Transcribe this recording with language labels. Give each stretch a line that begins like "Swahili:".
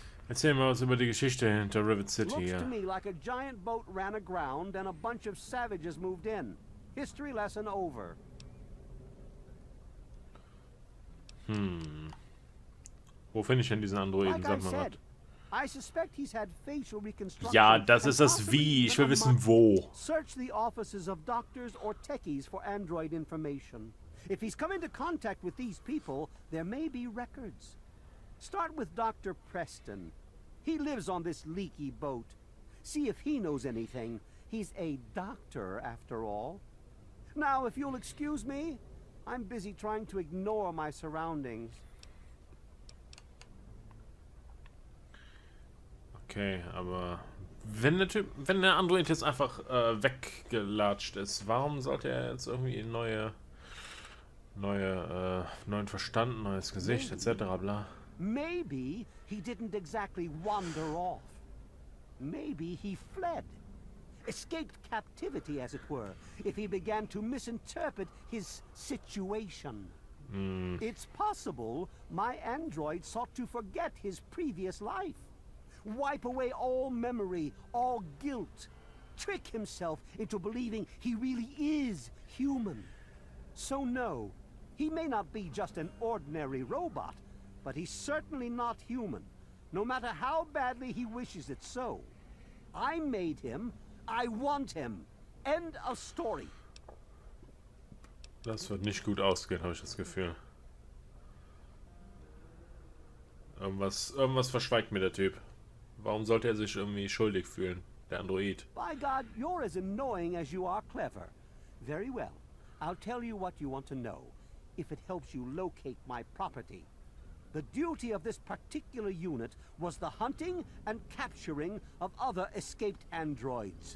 German: Erzähl mal was über die Geschichte hinter Rivet City.
English: Looks to me like a giant boat ran aground and a bunch of savages moved in. History lesson over.
German: Wo finde ich denn diesen Androiden? Sag mal was. Ja, das ist das Wie. Ich will wissen, wo.
English: Search the offices of doctors or techies for android information. If he's come into contact with these people, there may be records. Start with Dr. Preston. He lives on this leaky boat. See if he knows anything. He's a doctor, after all. Now, if you'll excuse me. I'm busy trying to ignore my surroundings.
German: Okay, aber wenn der Typ, wenn der Android jetzt einfach weggelatscht ist, warum sollte er jetzt irgendwie neuen Verstand, neues Gesicht, etc. bla?
English: Maybe he didn't exactly wander off. Maybe he fled. Escaped captivity, as it were, if he began to misinterpret his situation. It's possible my android sought to forget his previous life. Wipe away all memory, all guilt. Trick himself into believing he really is human. So no, he may not be just an ordinary robot, but he's certainly not human, no matter how badly he wishes it so. I made him. I want him. End of story.
German: Das wird nicht gut ausgehen, habe ich das Gefühl. Irgendwas verschweigt mir der Typ. Warum sollte er sich irgendwie schuldig fühlen, der Android?
English: By God, you're as annoying as you are clever. Very well. I'll tell you what you want to know, if it helps you locate my property. The duty of this particular unit was the hunting and capturing of other escaped androids.